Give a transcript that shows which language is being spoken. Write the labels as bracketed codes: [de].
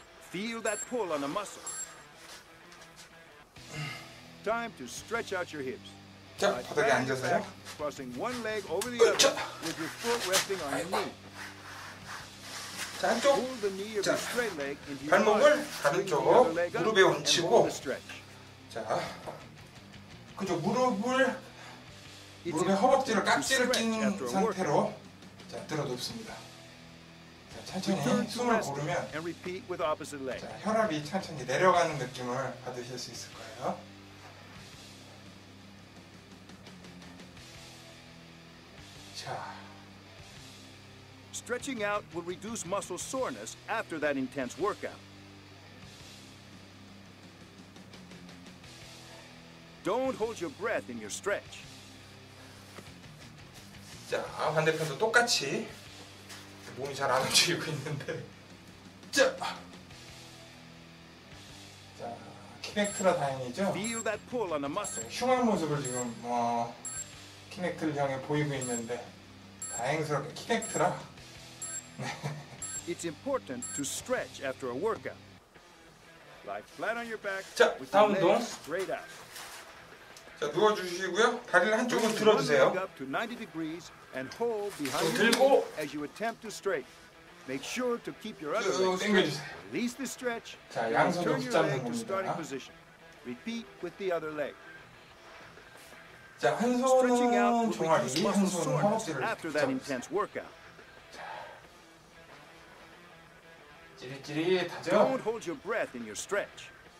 [en] Feel that pull on the muscle. Time to stretch out your hips. [ko] 자, 바닥에 앉아서요. [en] Crossing one leg over the other with your foot resting on your knee. [ko] 자, 한쪽. 자, 발목을 가는 쪽 무릎에 얹히고. 자, 그쪽 무릎의 허벅지를 깍지를 낀 상태로 자, 들어 눕습니다. 천천히 숨을 고르면 자, 혈압이 천천히 내려가는 느낌을 받으실 수 있을 거예요. 자. [en] Stretching out will reduce muscle soreness after that intense workout. Don't hold your breath in your stretch. [ko] 자, 반대편도 똑같이 몸이 잘 안 움직이고 있는데 자, 자 키넥트라 다행이죠. [en] Feel that pull on the muscle. [ko] 흉한 모습을 지금 뭐 키넥트를 향해 보이고 있는데 다행스럽게 키넥트라. [en] It's important to stretch after a workout. Like flat on your back. [ko] 자, 다음 운동. 자, 누워 주시고요. 다리를 한쪽으로 들어 주세요. [en] And hold behind you as you attempt to straight. Make sure to keep your other leg straight. Release the stretch. [ko] 자, 양손 좀 잡는 겁니다. [en] Starting position. Repeat with the other leg. [ko] 자, 한 손은 종아리, 한 손은 허벅지를 [en] after that intense workout. [ko] 찌릿찌릿하죠? [en] Don't hold your breath in your stretch.